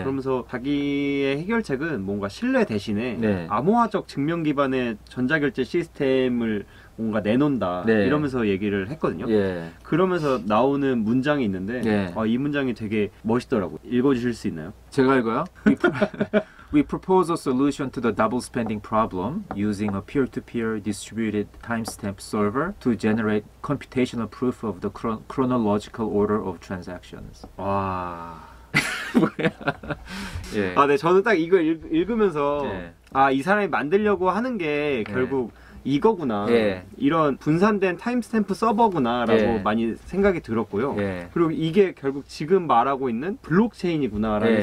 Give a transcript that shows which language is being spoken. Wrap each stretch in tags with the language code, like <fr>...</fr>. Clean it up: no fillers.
<ko>그러면서 자기의 해결책은 뭔가 신뢰 대신에 네. 암호화적 증명 기반의 전자결제 시스템을 뭔가 내놓는다 네. 이러면서 얘기를 했거든요. 예. 그러면서 나오는 문장이 있는데 예. 아, 이 문장이 되게 멋있더라고요. 읽어주실 수 있나요? 제가 읽어요?</ko> <en>We propose a solution to the double spending problem using a peer-to-peer distributed timestamp server to generate computational proof of the chronological order of transactions.</en> <ko>와... 뭐야? 예. 아, 네, 저는 딱 이걸 읽으면서 예. 아, 이 사람이 만들려고 하는 게 결국 예. 이거구나 예. 이런 분산된 타임스탬프 서버구나 라고 예. 많이 생각이 들었고요 예. 그리고 이게 결국 지금 말하고 있는 블록체인이구나 라는 예.</ko>